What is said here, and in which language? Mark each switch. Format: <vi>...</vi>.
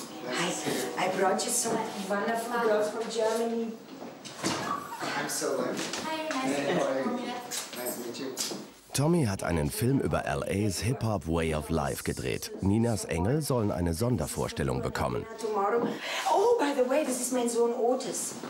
<en>Hi, I brought you some wonderful girls from Germany. I'm so lucky. Hi, nice to meet you.</en> <de>Tommy hat einen Film über L.A.'s Hip-Hop Way of Life gedreht. Ninas Engel sollen eine Sondervorstellung bekommen.</de> <en>Oh, by the way, this is my son Otis.</en>